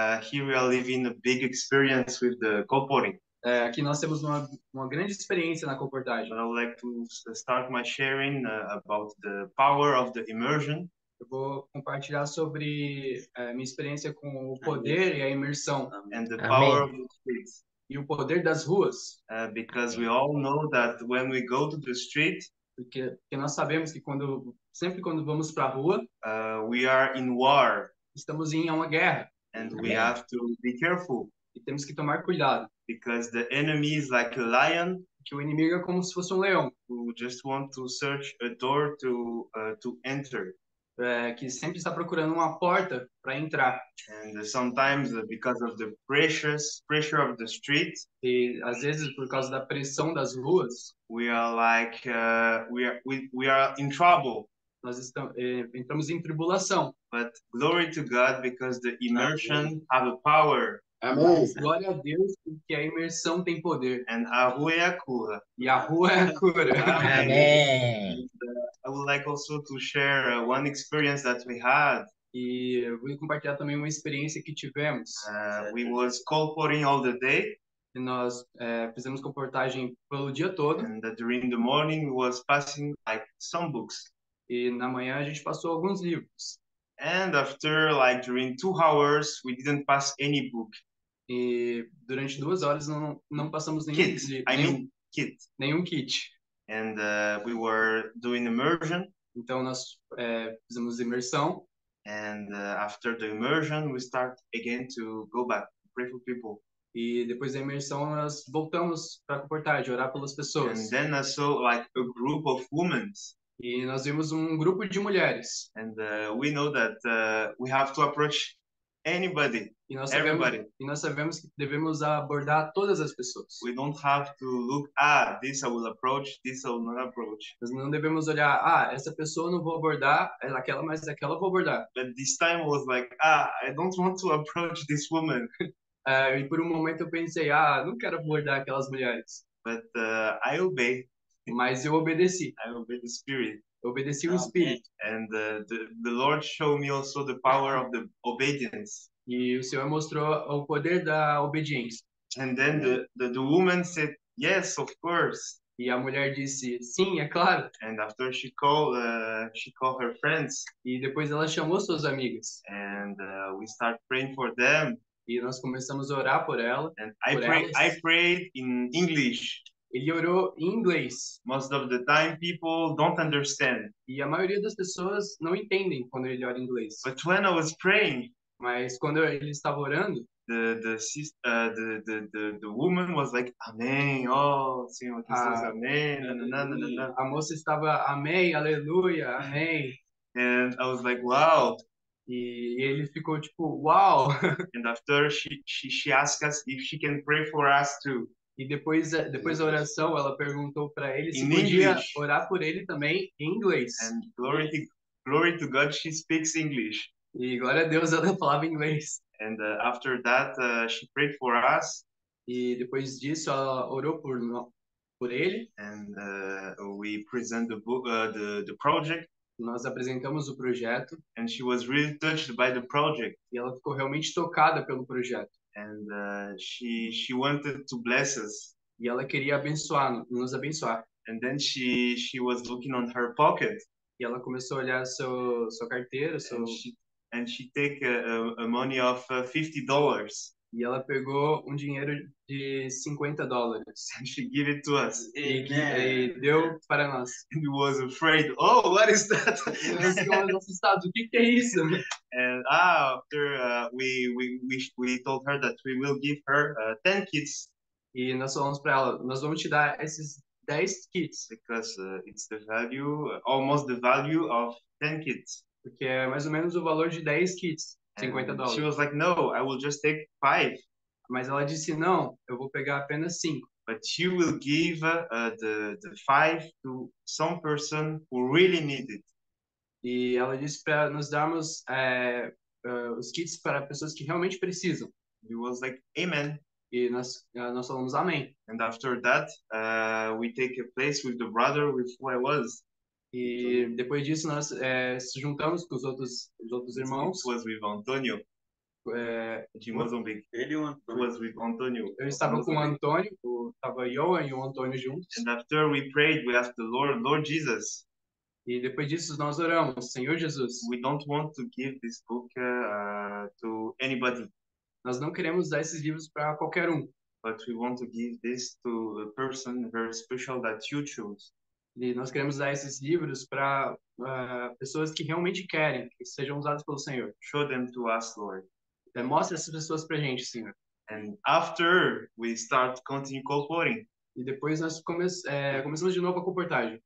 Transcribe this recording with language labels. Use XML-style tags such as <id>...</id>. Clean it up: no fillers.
<en>Here we are living a big experience with the corporate.</en> <pt>É, aqui nós temos uma grande experiência na comportagem.</pt> <en>I would like to start my sharing about the power of the immersion.</en> <pt>Eu vou compartilhar sobre minha experiência com o poder e a imersão.</pt> <en>And the power</en> <pt>Amém.</pt> <en>of the streets.</en> <pt>E o poder das ruas.</pt> <en>Because we all know that when we go to the street,</en> <pt>Porque nós sabemos que sempre quando vamos para a rua,</pt> <en>we are in war.</en> <pt>estamos em uma guerra.</pt> <en>And we</en> <pt>Amém.</pt> <en>have to be careful.</en> <pt>E temos que tomar cuidado.</pt> <en>Because the enemy is like a lion.</en> <pt>Que o inimigo é como se fosse um leão.</pt> <en>Who just want to search a door to enter.</en> <pt>É, que sempre está procurando uma porta para entrar.</pt> <en>And sometimes because of the pressure of the street,</en> <pt>E às vezes por causa da pressão das ruas,</pt> <en>we are like we are in trouble.</en> <pt>entramos em tribulação.</pt> <en>But glory to God because the</en> <pt>Amém.</pt> <en>immersion have a power.</en> <pt>Amém. Mas glória a Deus porque a imersão tem poder. And a rua é a cura. E a rua é a cura. Amém.</pt> <en>I would like also to share one experience that we had.</en> <pt>E eu vou compartilhar também uma experiência que tivemos.</pt> <en>We was corporate all the day.</en> <pt>E nós fizemos comportagem pelo dia todo.</pt> <en>And during the morning we was passing like some books.</en> <pt>E na manhã a gente passou alguns livros.</pt> <en>And after like during 2 hours we didn't pass any book.</en> <pt>E durante 2 horas não passamos</pt> <en>Kit, I mean kit.</en> <pt>nenhum kit.</pt> <en>And we were doing immersion.</en> <pt>Então nós fizemos imersão.</pt> <en>And after the immersion, we start again to go back, pray for people.</en> <pt>E depois da imersão, nós voltamos para a comportagem, orar pelas</pt> <en>And</en> <pt>pessoas.</pt> <en>then I saw like a group of women.</en> <pt>E nós vimos um grupo de mulheres.</pt> <en>And we know that we have to approach anybody,</en> <pt>E nós sabemos</pt> <en>everybody.</en> <pt>que devemos abordar todas as pessoas.</pt> <en>We don't have to look, ah, this I will approach, this I will not approach.</en> <pt>Nós não devemos olhar, essa pessoa eu não vou abordar, aquela, mas aquela eu vou abordar.</pt> <en>But this time was like, ah, I don't want to approach this woman.</en> <pt>E por um momento eu pensei, não quero abordar aquelas mulheres.</pt> <en>But I obey.</en> <pt>Mas eu obedeci.</pt> <en>I obey the spirit.</en> <pt>Eu obedeci o Espírito.</pt> <en>And the Lord showed me also the power of the obedience.</en> <pt>E o Senhor mostrou o poder da obediência.</pt> <en>And then the woman said, yes, of course.</en> <pt>E a mulher disse, sim, é claro.</pt> <en>And after she called her friends.</en> <pt>E depois ela chamou suas amigas.</pt> <en>And we start praying for them.</en> <pt>E nós começamos a orar por ela,</pt> <en>And</en> <pt>por</pt> <en>I</en> <pt>elas.</pt> <en>prayed in English.</en> <pt>Ele orou em inglês.</pt> <en>Most of the time people don't understand.</en> <pt>E a maioria das pessoas não entendem quando ele ora em inglês.</pt> <en>But when I was praying,</en> <pt>Mas quando ele estava orando,</pt> <en>the woman was like,</en> <pt>Amém, oh, Senhor Jesus, Amém, a moça estava, Amém, aleluia, Amém.</pt> <en>And I was like, wow.</en> <pt>E ele ficou tipo, uau!</pt> <en>And after she asked us if she can pray for us too.</en> <pt>E depois da oração, ela perguntou para ele se</pt> <en>In</en> <pt>podia</pt> <en>English.</en> <pt>orar por ele também em inglês.</pt> <en>And glory to God, she speaks English.</en> <pt>E glória a Deus, ela falava inglês.</pt> <en>And after that, she prayed for us.</en> <pt>E depois disso, ela orou por ele.</pt> <en>And we present the book, the project.</en> <pt>Nós apresentamos o projeto.</pt> <en>And she was really touched by the project.</en> <pt>E ela ficou realmente tocada pelo projeto.</pt> <en>And she wanted to bless us.</en> <pt>E ela queria abençoar, nos abençoar.</pt> <en>And then she was looking on her pocket.</en> <pt>E ela começou a olhar sua carteira, seu...</pt> <en>And she took a money of $50.</en> <pt>E ela pegou um dinheiro de $50.</pt> <en>And she gave it to us.</en> <pt>E deu para nós.</pt> <en>And we was afraid. Oh, what is that?</en> <pt>Nós ficamos assustados. O que é isso?</pt> <en>And after we told her that we will give her 10 kits.</en> <pt>E nós falamos para ela, nós vamos te dar esses 10 kits.</pt> <en>Because it's the value, almost the value of 10 kits.</en> <pt>Porque é mais ou menos o valor de 10 kits, $50.</pt> <en>She was like, no, I will just take 5.</en> <pt>Mas ela disse, não, eu vou pegar apenas 5.</pt> <en>But she will give the 5 to some person who really need it.</en> <pt>E ela disse para nós darmos os kits para pessoas que realmente precisam.</pt> <en>She was like, amen.</en> <pt>E nós falamos amém.</pt> <en>And after that, we take a place with the brother with who I was.</en> <pt>E depois disso, nós se juntamos com os outros irmãos.</pt> <en>It was with Antonio.</en> <pt>De Mozambique. Ele e o Antonio.</pt> <en>It was with Antonio.</en> <pt>Eu estava com o Antonio. Estava eu e o Antonio juntos.</pt> <en>And after we prayed, we asked the Lord, Lord Jesus.</en> <pt>E depois disso, nós oramos, Senhor Jesus.</pt> <en>We don't want to give this book to anybody.</en> <pt>Nós não queremos dar esses livros para qualquer um.</pt> <en>But we want to give this to a person very special that you choose.</en> <pt>E nós queremos dar esses livros para pessoas que realmente querem que sejam usados pelo Senhor.</pt> <en>Show them to us, Lord.</en> <pt>Então, mostre essas pessoas para a gente, Senhor.</pt> <en>And after we start continue cooperating.</en> <pt>E depois nós começamos de novo a comportagem.</pt>